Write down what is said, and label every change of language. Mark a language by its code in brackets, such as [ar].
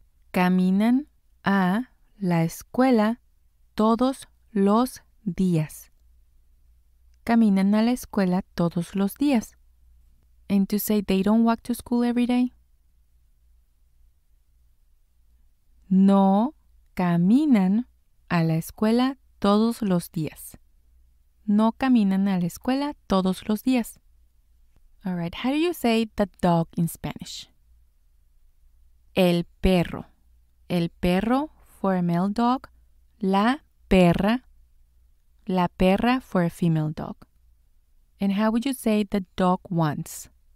[es] Caminan a la escuela todos los días. Caminan a la escuela todos los días. [en] And to say they don't walk to school every day? [es] No caminan a la escuela todos los días. No caminan a la escuela todos los días. [en] All right, how do you say the dog in Spanish? [es] El perro. El perro [en] for a male dog. [es] La perra. La perra [en] for a female dog. And how would you say the dog wants?